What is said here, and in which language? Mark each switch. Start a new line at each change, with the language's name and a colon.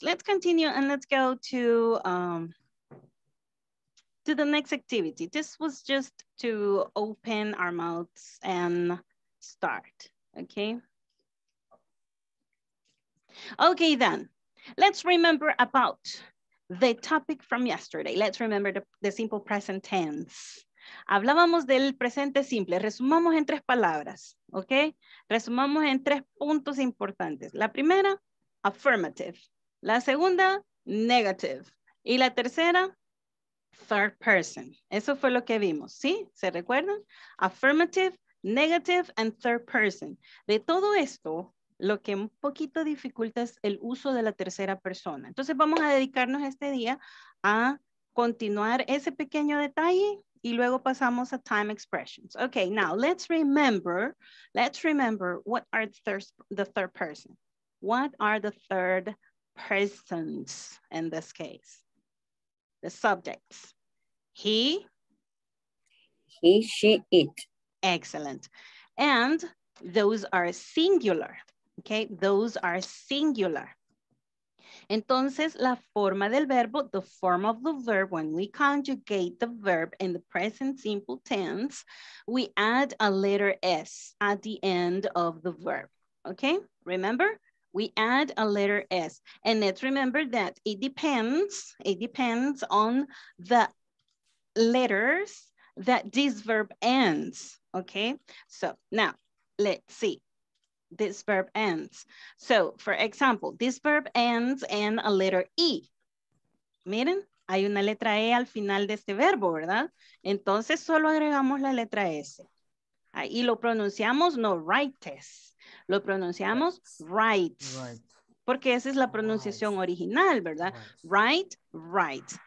English: Let's continue and let's go to the next activity. This was just to open our mouths and start, okay? Okay, then, let's remember about the topic from yesterday. Let's remember the simple present tense.
Spanish: Hablábamos del presente simple, resumamos en tres palabras, ¿ok? Resumamos en tres puntos importantes. La primera, affirmative. La segunda, negative. Y la tercera, third person. Eso fue lo que vimos, ¿sí? ¿Se recuerdan?
English: Affirmative, negative, and third person.
Spanish: De todo esto, lo que un poquito dificulta es el uso de la tercera persona. Entonces vamos a dedicarnos este día a continuar ese pequeño detalle. Y luego pasamos a time expressions.
English: Okay, now let's remember what are the third person. What are the third persons in this case? The subjects. He, she, it. Excellent. And those are singular. Okay, those are singular.
Spanish: Entonces, la forma del verbo,
English: the form of the verb, when we conjugate the verb in the present simple tense, we add a letter S at the end of the verb. Okay, remember, we add a letter S. And let's remember that it depends on the letters that this verb ends. Okay, so now let's see. this verb ends. So for example, this verb ends in a letter E.
Spanish: Miren, hay una letra E al final de este verbo, ¿verdad? Entonces solo agregamos la letra S. Ahí lo pronunciamos, no writes. Lo pronunciamos writes. Porque esa es la pronunciación original, ¿verdad?
English: Write, write.